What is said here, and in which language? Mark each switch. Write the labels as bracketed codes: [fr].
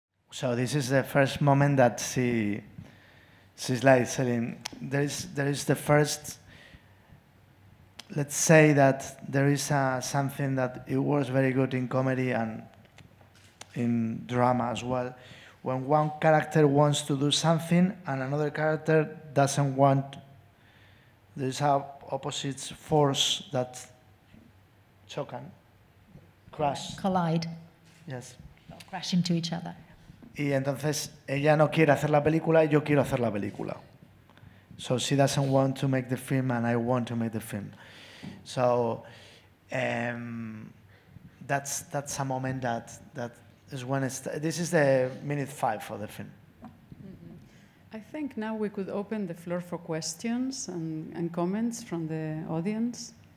[en] So this is the first moment that she's like saying, there is the first, let's say that there is something that it works very good in comedy and in drama as well. When one character wants to do something and another character doesn't want, there's a opposite force that can crash. Collide. Yes. Crash into each other. [es] Y entonces ella no quiere hacer la película y yo quiero hacer la película. [en] So she doesn't want to make the film and I want to make the film. So that's a moment that is when it's, this is the minute 5 of the film. Mm-hmm. I think now we could open the floor for questions and comments from the audience.